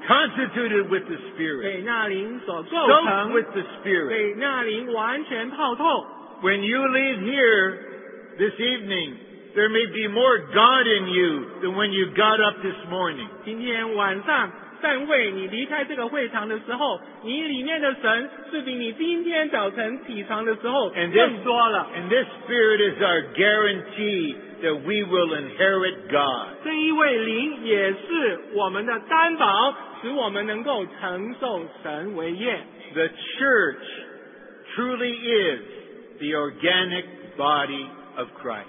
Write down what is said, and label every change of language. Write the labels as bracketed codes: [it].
[en] Constituted with the Spirit. [zh] 被那灵所构成。 [en] Soaked with the Spirit. [zh] 被那灵完全泡透。 [en] When you leave here this evening, there may be more God in you than when you got up this morning. [zh] 今天晚上散会，你离开这个会堂的时候，你里面的神是比你今天早晨起床的时候更多了。 [en] And this Spirit is our guarantee. That we will inherit God. [zh] 这一位灵也是我们的担保，使我们能够承受神为业。 [en] The church truly is the organic body of Christ.